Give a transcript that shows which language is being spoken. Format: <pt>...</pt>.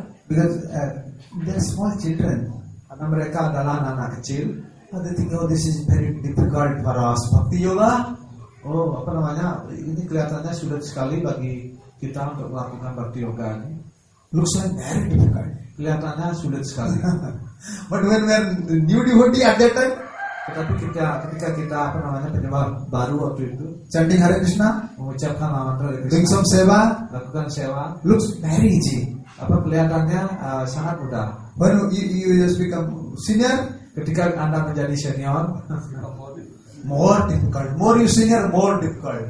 <en>Because they are small children.</en> <id>Karena mereka adalah anak kecil.</id> <en>And they think, oh, this is very difficult for us. Bhakti yoga.</en> <id>Oh, apa namanya? Ini kelihatannya sulit sekali bagi kita untuk melakukan bhakti yoga ini.</id> <en>Looks like very difficult.</en> <id>Kelihatannya sulit sekali.</id> <en>But when the new devotee at that time.</en> <id>Tetapi ketika kita apa namanya penyembah baru waktu itu,</id> <en>chanting Hare Krishna,</en> <id>mengucapkan nama mantra Hare</id> <en>Krishna, doing some seva,</en> <id>lakukan seva,</id> <en>looks very easy.</en> <id>Apa kelihatannya sangat mudah.</id> <en>When you just become senior,</en> <id>ketika anda menjadi senior,</id> <en>more difficult. More you senior, more difficult.</en>